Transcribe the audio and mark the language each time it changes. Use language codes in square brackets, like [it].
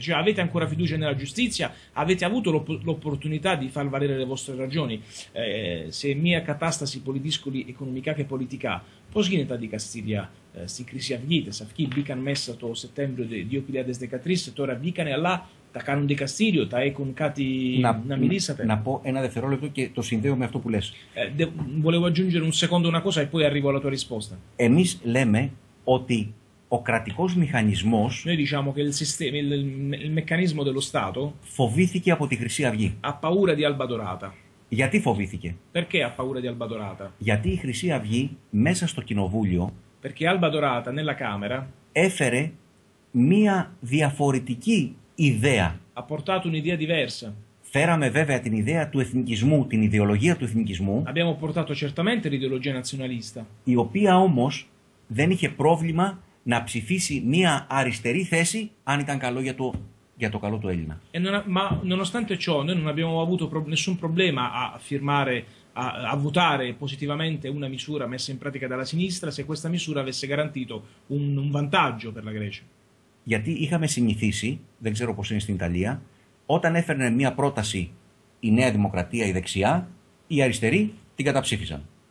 [it] Cioè, avete ancora fiducia nella giustizia? Avete avuto l'opportunità di far valere le vostre ragioni? Se mia catastasi politiscoli economica che politica, posghineta di Castiglia, si crisi avghite, sa chi vican messa to settembre di Opilia desdecatris, tora vican e alla, ta canon di Castiglio, ta econ cati [el] Na, na milisate. na pò ένα δευτερόλεπτο και το συνδέω με αυτό που λες. [it] Volevo aggiungere un secondo una cosa e poi arrivo alla tua risposta. [el] Εμείς λέμε ότι ο κρατικός μηχανισμός [it] Noi diciamo che il meccanismo dello Stato [el] φοβήθηκε από τη Χρυσή Αυγή. [it] ha paura di Alba Dorata. [el] Γιατί φοβήθηκε? [it] Perché ha paura di Alba Dorata? [el] Γιατί η Χρυσή Αυγή μέσα στο κοινοβούλιο [it] Perché Alba Dorata nella Camera [el] έφερε μία διαφορετική ιδέα. [it] ha portato un'idea diversa. [el] Φέραμε βέβαια την ιδέα του εθνικισμού, την ιδεολογία του εθνικισμού, [it] Abbiamo portato certamente l'ideologia nazionalista. [el] η οποία όμως δεν είχε πρόβλημα να ψηφίσει μία αριστερή θέση αν ήταν καλό για το καλό του Έλληνα. [it] Ma nonostante ciò, noi non abbiamo avuto nessun problema a firmare. A votare positivamente una misura messa in pratica dalla sinistra, se questa misura avesse garantito un vantaggio per la Grecia. [el] Γιατί είχαμε συνηθίσει, δεν ξέρω πώς είναι στην Ιταλία, όταν έφερνε μια πρόταση η Νέα Δημοκρατία, η δεξιά, οι αριστεροί την καταψήφισαν.